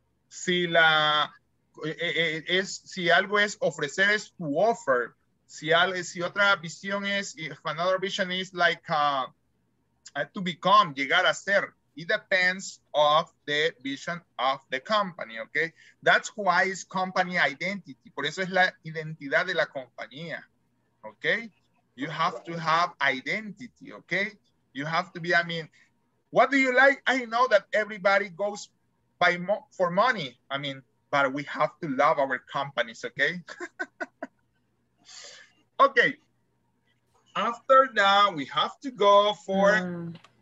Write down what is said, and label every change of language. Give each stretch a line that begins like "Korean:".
Spanish: Si la es, si algo es ofrecer, es
English: to offer.
Spanish: Si algo, si otra visión es,
English: if another vision is like to become,
Spanish: llegar a ser.
English: It depends of the vision of the company, okay? That's why it's company identity.
Spanish: Por eso es la identidad de la compañía, okay?
English: You have to have identity, okay? You have to be, I mean, what do you like? I know that everybody goes by for money. I mean, but we have to love our companies, okay? Okay. After that, we have to go for... Mm.